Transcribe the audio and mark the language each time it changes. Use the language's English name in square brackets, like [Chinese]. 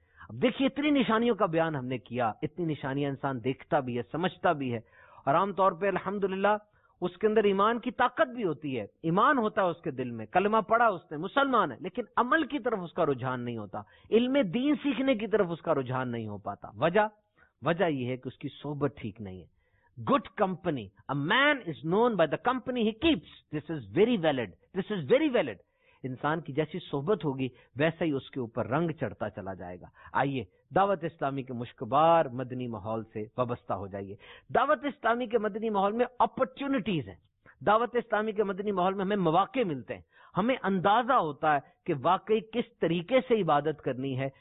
[Urdu] اب دیکھیے, اتنی نشانیوں کا بیان ہم نے کیا, اتنی نشانیاں انسان دیکھتا بھی ہے, سمجھتا بھی ہے, اور عام طور پہ الحمدللہ اس کے اندر ایمان کی طاقت بھی ہوتی ہے, ایمان ہوتا ہے اس کے دل میں, کلمہ پڑھا اس نے, مسلمان ہے, لیکن عمل کی طرف اس کا رجحان نہیں ہوتا, علم دین سیکھنے کی طرف اس کا رجحان نہیں ہو پاتا. وجہ یہ ہے کہ اس کی صحبت ٹھیک نہیں ہے. [English] good company, a man is known by the company he keeps, this is very valid [Urdu] انسان کی جیسی صحبت ہوگی ویسا ہی اس کے اوپر رنگ چڑھتا چلا جائے گا. آئیے دعوت اسلامی کے مشکبار مدنی ماحول سے وابستہ ہو جائیے. دعوت اسلامی کے مدنی ماحول میں اپرچونٹیز ہیں, دعوت اسلامی کے مدنی ماحول میں ہمیں مواقع ملتے ہیں, ہمیں اندازہ ہوتا ہے کہ واقعی کس طریقے سے عبادت کرنی ہے.